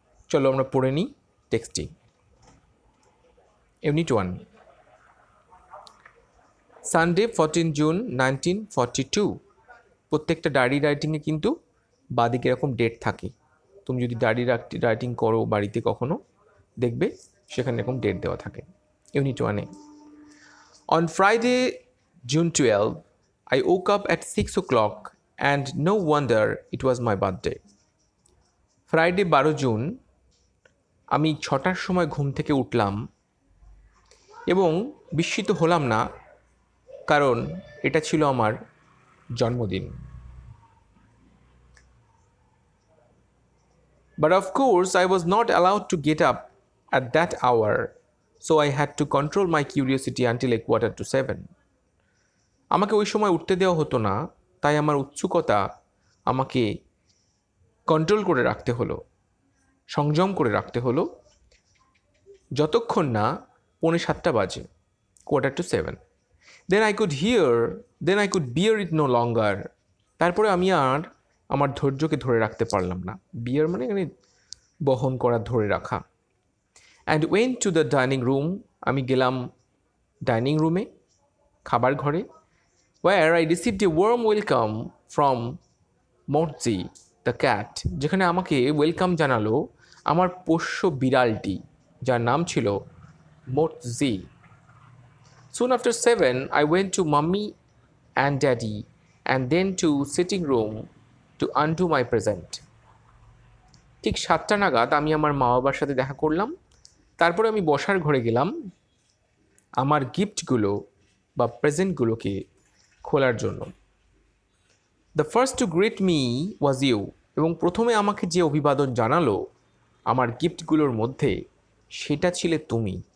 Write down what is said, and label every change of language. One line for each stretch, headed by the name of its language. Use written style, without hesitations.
Bangla: চলো আমরা পড়ে নিই টেক্সটটি। Unit 1, Sunday 14 June 1942। প্রত্যেকটা ডায়েরি রাইটিংয়ে কিন্তু বাদিকে এরকম ডেট থাকে। তুমি যদি ডায়েরি রাইটিং করো বাড়িতে কখনো দেখবে সেখানে এরকম ডেট দেওয়া থাকে।
English: Unit 1, on Friday June 12 I woke up at 6 o'clock and no wonder it was my birthday.
Bangla: Friday 12 June, আমি 6টার সময় ঘুম থেকে উঠলাম এবং বিস্মিত হলাম না কারণ এটা ছিল আমার জন্মদিন।
English: But of course, I was not allowed to get up at that hour, so I had to control my curiosity until 6:45.
Bangla: আমাকে ওই সময় উঠতে দেওয়া হতো না, তাই আমার উৎসুকতা আমাকে কন্ট্রোল করে রাখতে হলো, সংযম করে রাখতে হলো যতক্ষণ না 6:45 বাজে, 6:45।
English: Then I could bear it no longer.
Bangla: তারপরে আমি আর আমার ধৈর্যকে ধরে রাখতে পারলাম না। বিয়ার মানে এখানে বহন করা, ধরে রাখা।
English: and went to the dining room,
Bangla: আমি গেলাম ডাইনিং রুমে, খাবার ঘরে।
English: Where I received a warm welcome from Mozi, the cat.
Bangla: যেখানে আমাকে ওয়েলকাম জানালো আমার পোষ্য বিড়ালটি, যার নাম ছিল Mozi.
English: Soon after 7, I went to mummy and daddy and then to sitting room to undo my present.
Bangla: ঠিক 7টা নাগাদ আমি আমার মা বাবার সাথে দেখা করলাম, তারপরে আমি বসার ঘরে গেলাম আমার গিফটগুলো বা প্রেজেন্টগুলোকে খোলার জন্য।
English: the first to greet me was you,
Bangla: এবং প্রথমে আমাকে যে অভিবাদন জানালো আমার গিফটগুলোর মধ্যে সেটা ছিলে তুমি।